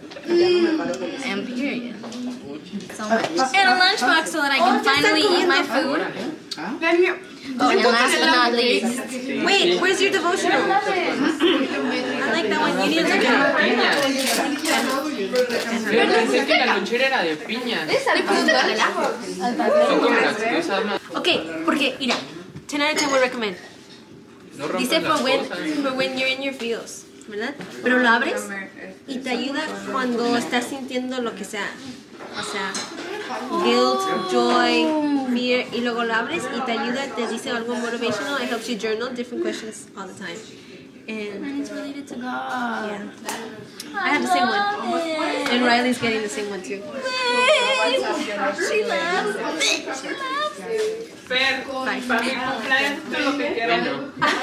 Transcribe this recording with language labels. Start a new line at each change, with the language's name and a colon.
English: And period. So much. And a lunchbox so that I can finally eat my food. Oh, and last but not least. Wait, where's your devotional? I like that one. You need to go.
Spanish: Yo pensé que la lonchera era de piña. Le puse con el ajo.
English: Okay,
Spanish: porque mira,
English: 10 out of 10 we recommend. Dice for when you're in your feels,
Spanish: ¿verdad? Pero lo abres y te ayuda cuando estás sintiendo lo que sea. O sea, guilt, joy, fear, y luego lo abres y te ayuda, te dice algo motivational.
English: It helps you journal different questions all the time. And it's related to God. Yeah. I have the same one. And Riley's getting the same one too. She loves it. She loves it.